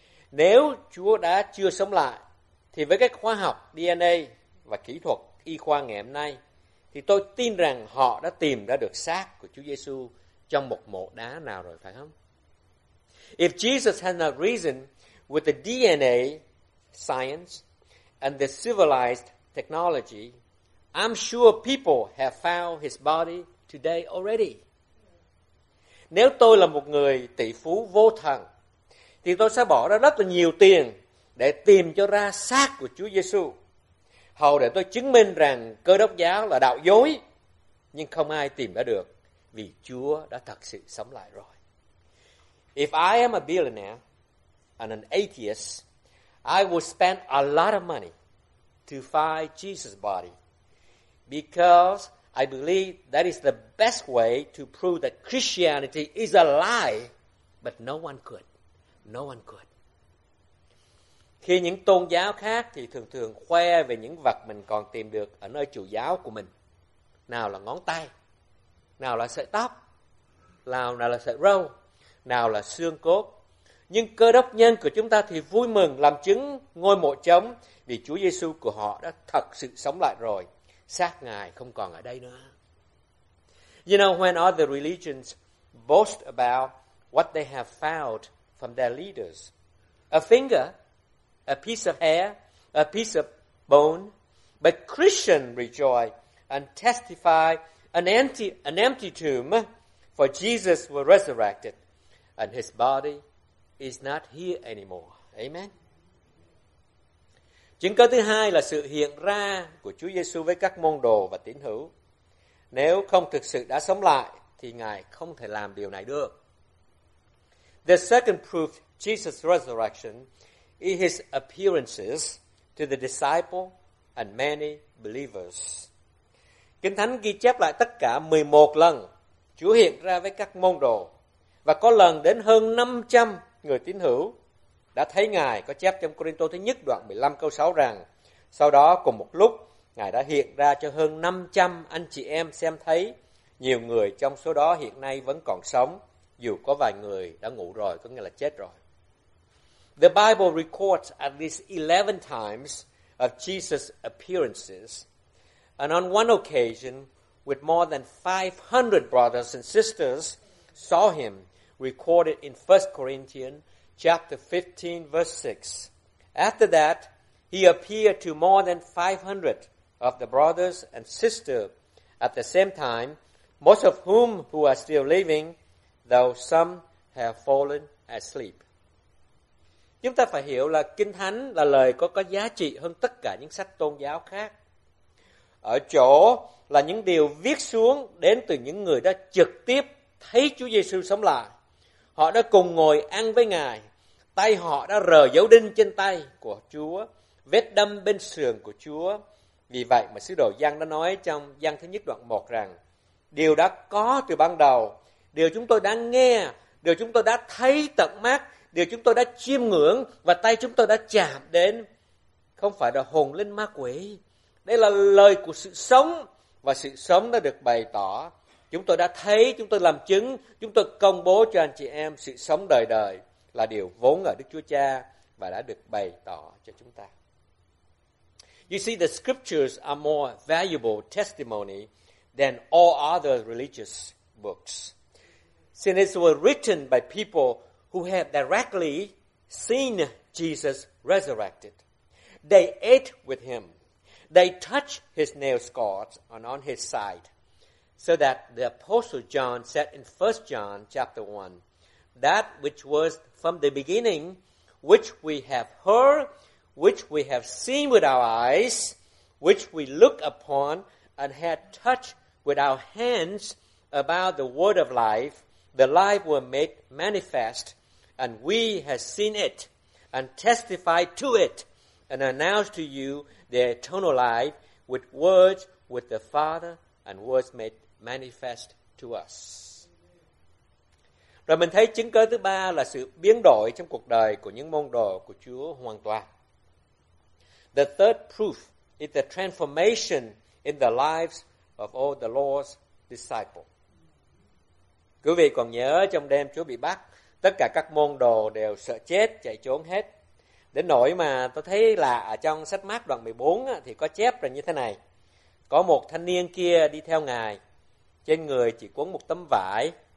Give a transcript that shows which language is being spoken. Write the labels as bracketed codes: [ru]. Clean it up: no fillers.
[vi] Nếu Chúa đã chưa sống lại, thì với cái khoa học DNA và kỹ thuật y khoa ngày hôm nay, thì tôi tin rằng họ đã tìm ra được xác của Chúa Giê-xu trong một mộ đá nào rồi, phải không? [en] If Jesus had not risen, with the DNA science and the civilized technology, I'm sure people have found his body today already. [vi] Nếu tôi là một người tỷ phú vô thần, thì tôi sẽ bỏ ra rất là nhiều tiền để tìm cho ra xác của Chúa Giê-xu, hầu để tôi chứng minh rằng Cơ Đốc giáo là đạo dối. Nhưng không ai tìm đã được, vì Chúa đã thật sự sống lại rồi. [en] If I am a billionaire and an atheist, I will spend a lot of money to find Jesus' body, because I believe that is the best way to prove that Christianity is a lie, but no one could. No one could. [vi] Khi những tôn giáo khác thì thường thường khoe về những vật mình còn tìm được ở nơi chủ giáo của mình. Nào là ngón tay, nào là sợi tóc, nào là sợi râu, nào là xương cốt. Nhưng Cơ Đốc nhân của chúng ta thì vui mừng làm chứng ngôi mộ trống, vì Chúa Giê-xu của họ đã thật sự sống lại rồi. Xác Ngài không còn ở đây nữa. [en] You know, when other religions boast about what they have found from their leaders, a finger, a piece of hair, a piece of bone, but Christians rejoice and testify an empty tomb, for Jesus was resurrected and his body is not here anymore. Amen. [vi] Chứng cớ thứ hai là sự hiện ra của Chúa Giê-xu với các môn đồ và tín hữu. Nếu không thực sự đã sống lại, thì Ngài không thể làm điều này được. [en] The second proof Jesus' resurrection is his appearances to the disciple and many believers. [vi] Kinh Thánh ghi chép lại tất cả 11 lần Chúa hiện ra với các môn đồ, và có lần đến hơn 500 người tín hữu đã thấy Ngài. Có chép trong Cô-rinh-tô thứ nhất đoạn 15 câu 6 rằng, sau đó cùng một lúc Ngài đã hiện ra cho hơn 500 anh chị em xem thấy. Nhiều người trong số đó hiện nay vẫn còn sống, dù có vài người đã ngủ rồi, có nghĩa là chết rồi. [en] The Bible records at least 11 times of Jesus' appearances, and on one occasion with more than 500 brothers and sisters saw him, recorded in 1 Corinthians chapter 15, verse 6. After that, he appeared to more than 500 of the brothers and sisters at the same time, most of whom who are still living, though some have fallen asleep. [vi] Chúng ta phải hiểu là Kinh Thánh là lời có giá trị hơn tất cả những sách tôn giáo khác. Ở chỗ là những điều viết xuống đến từ những người đã trực tiếp thấy Chúa Giê-xu sống lại. Họ đã cùng ngồi ăn với Ngài, tay họ đã rờ dấu đinh trên tay của Chúa, vết đâm bên sườn của Chúa, Vì vậy mà sứ đồ Giăng đã nói trong Giăng thứ nhất đoạn 1 rằng điều đã có từ ban đầu, điều chúng tôi đã nghe, điều chúng tôi đã thấy tận mắt, điều chúng tôi đã chiêm ngưỡng và tay chúng tôi đã chạm đến không phải là hồn linh ma quỷ. Đây là lời của sự sống và sự sống đã được bày tỏ. Chúng tôi đã thấy, chúng tôi làm chứng, chúng tôi công bố cho anh chị em sự sống đời đời là điều vốn ở Đức Chúa Cha và đã được bày tỏ cho chúng ta. [en] You see, the scriptures are more valuable testimony than all other religious books. Since it was written by people who have directly seen Jesus resurrected, they ate with him. They touched his nail scars and on his side. So that the Apostle John said in 1 John chapter 1, that which was from the beginning, which we have heard, which we have seen with our eyes, which we look upon and had touched with our hands about the word of life, the life were made manifest, and we have seen it and testified to it and announced to you the eternal life with words with the Father and words made manifest to us. [vi] Rồi mình thấy chứng cớ thứ ba là sự biến đổi trong cuộc đời của những môn đồ của Chúa hoàn toàn. [en] The third proof is the transformation in the lives of all the Lord's disciples. [vi] Quý vị còn nhớ trong đêm Chúa bị bắt, tất cả các môn đồ đều sợ chết, chạy trốn hết. Đến nỗi mà tôi thấy lạ trong sách Mác đoạn 14 thì có chép là như thế này. Có một thanh niên kia đi theo Ngài, trên người chỉ quấn một tấm vải.